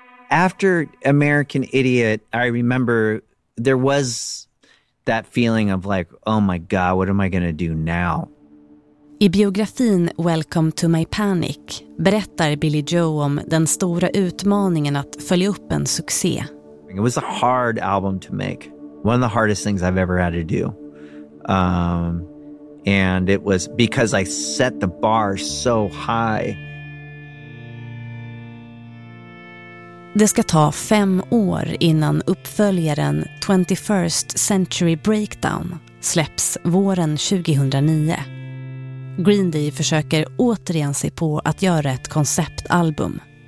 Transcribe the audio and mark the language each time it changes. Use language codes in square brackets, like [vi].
[en] After American Idiot, I remember there was that feeling of like, oh my God, what am I going to do now? [sv] I biografin Welcome to My Panic berättar Billy Joe om den stora utmaningen att följa upp en succé. [en] It was a hard album to make. One of the hardest things I've ever had to do. And it was because I set the bar so high. [sv] Det ska ta 5 år innan uppföljaren 21st Century Breakdown släpps våren 2009. Green Day försöker återigen se på att göra ett konceptalbum.